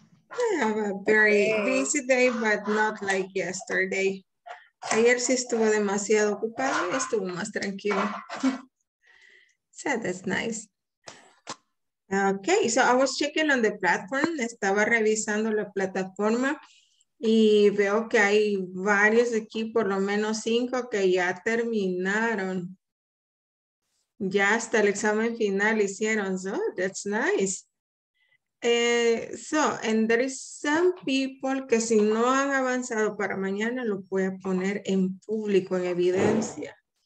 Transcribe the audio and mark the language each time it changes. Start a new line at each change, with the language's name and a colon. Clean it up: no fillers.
English: I have a very busy day, but not like yesterday.
Spanish: Ayer sí estuvo demasiado ocupado, estuvo más tranquilo.
English: So that's nice. Okay, so I was checking on the platform.
Spanish: Estaba revisando la plataforma. Y veo que hay varios aquí, por lo menos 5 que ya terminaron. Ya hasta el examen final hicieron.
English: So that's nice. And there is some people
Spanish: que si no han avanzado para mañana, lo voy a poner en público, en evidencia.